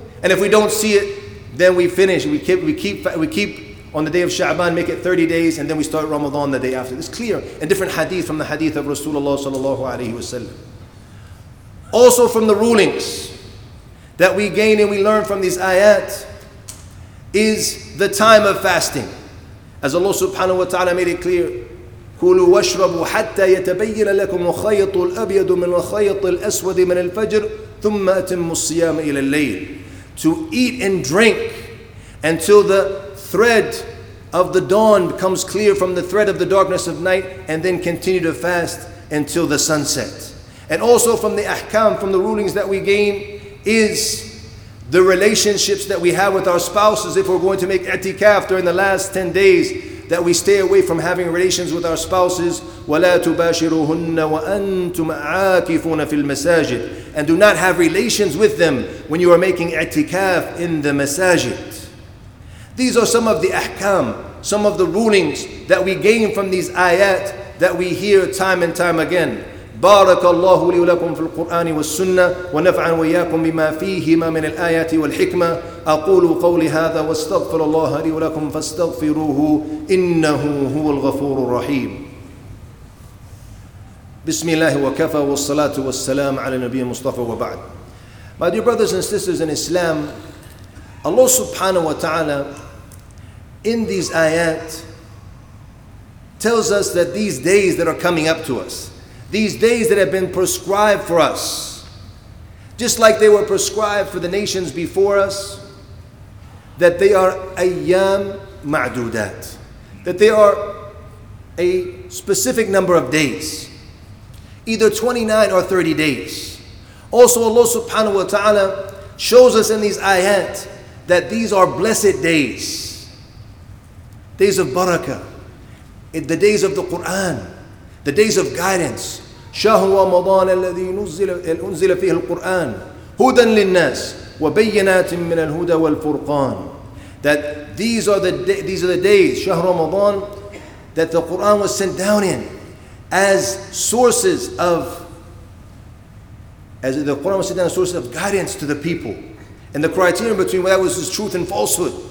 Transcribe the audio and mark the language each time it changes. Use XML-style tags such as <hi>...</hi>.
<en>And if we don't see it, then we finish. We keep on the day of Sha'ban, make it 30 days, and then we start Ramadan the day after. It's clear in different hadith from the hadith of Rasulullah sallallahu alayhi wa sallam. Also from the rulings that we gain and we learn from these ayat is the time of fasting.</en> <ar>As Allah subhanahu wa ta'ala made it clear, كُلُوا وَاشْرَبُوا حَتَّى يَتَبَيِّنَ لَكُمْ الْخَيْطُ الْأَبْيَضُ مِنْ الْخَيْطِ الْأَسْوَدِ مِنَ الْفَجْرِ ثُمَّ أَتِمُّ الصِّيَامَ إِلَى اللَّيْلِ.</ar> <en>To eat and drink until the thread of the dawn becomes clear from the thread of the darkness of night, and then continue to fast until the sunset. And also from the ahkam, from the rulings that we gain, is the relationships that we have with our spouses. If we're going to make i'tikaf during the last 10 days, that we stay away from having relations with our spouses.</en> <ar>وَلَا تُبَاشِرُهُنَّ وَأَنْتُمْ عَاكِفُونَ فِي الْمَسَاجِدِ,</ar> <en>and do not have relations with them when you are making i'tikaf in the masajid. These are some of the ahkam, some of the rulings that we gain from these ayat that we hear time and time again.</en> <ar>بارك الله لي ولكم في القرآن والسنة ونفعنا وإياكم بما فيهما من الآيات والحكمة أقول قولي هذا واستغفر الله لي ولكم فاستغفروه إنه هو الغفور الرحيم. بسم الله وكفى والصلاة والسلام على النبي المصطفى وبعد.</ar> <en>My dear brothers and sisters in Islam, Allah subhanahu wa ta'ala in these ayat tells us that these days that are coming up to us, these days that have been prescribed for us, just like they were prescribed for the nations before us, that they are ayyam ma'dudat, that they are a specific number of days, either 29 or 30 days. Also, Allah subhanahu wa ta'ala shows us in these ayat that these are blessed days, days of barakah, the days of the Quran, the days of guidance.</en> <ar>شهر رمضان الذي أنزل فيه القرآن هدى للناس وبينات من الهدى والفرقان.</ar> <en>That these are the days, شهر رمضان, that the Quran was sent down in as sources of, as the Quran was sent down as sources of guidance to the people, and the criterion between what was is truth and falsehood.</en>